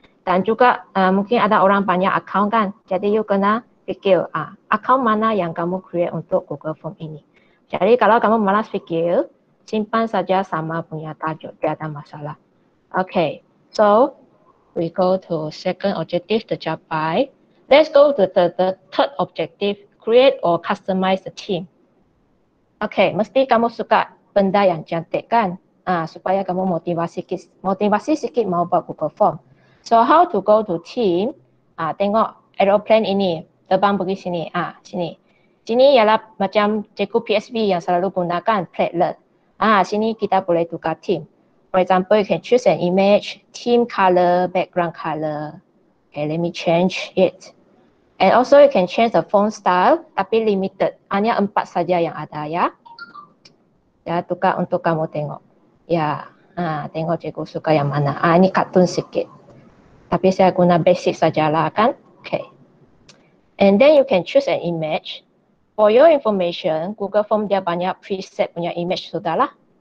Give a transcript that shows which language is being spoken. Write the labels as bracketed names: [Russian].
[Malay] Dan juga mungkin ada orang banyak account kan, jadi you kena fikir account mana yang kamu create untuk Google Form ini. Jadi kalau kamu malas fikir, simpan saja sama punya tajuk, tidak ada masalah. [English] Okay, so we go to second objective, [Malay] tercapai. [English] Let's go to the third objective, create or customize the team. [Malay] Okay, mesti kamu suka benda yang cantik kan? Supaya kamu motivasi sikit mau buat Google Form. [English] So how to go to team? [Malay] Tengok aeroplane ini. Terbang pergi sini. Sini ialah macam cikgu PSV yang selalu gunakan platelet. Sini kita boleh tukar team. [English] For example, you can choose an image, team color, background color. Okay, let me change it. And also you can change the font style, [Malay] tapi limited. Hanya 4 saja yang ada ya. Ya, tukar untuk kamu tengok. Ya, tengok cikgu suka yang mana. Ini kartun sikit. Tapi saya guna basic sajalah kan. [English] Okay. And then you can choose an image. For your information, [Malay] Google Form dia banyak preset punya image sudah lah.